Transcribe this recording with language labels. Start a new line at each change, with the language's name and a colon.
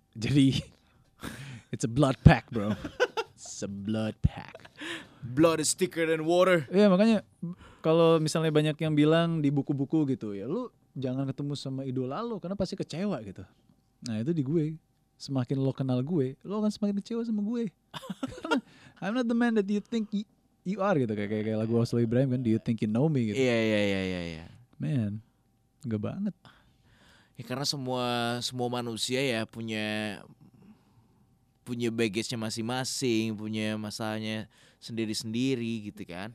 English: Jadi it's a blood pack, bro. It's a blood pack. Blood is thicker than water.
Indonesian: Iya, makanya kalau misalnya banyak yang bilang di buku-buku gitu, ya lu jangan ketemu sama idola lu karena pasti kecewa gitu. Nah, itu di gue. Semakin lo kenal gue, lo akan semakin kecewa sama gue.
English: I'm not the man that you think you are gitu,
Indonesian: kayak lagu Oslo Ibrahim kan,
English: do you think you know me gitu.
Indonesian: Iya. Man, enggak banget. Ya karena semua manusia ya punya baggage-nya masing-masing, punya masalahnya sendiri-sendiri gitu kan.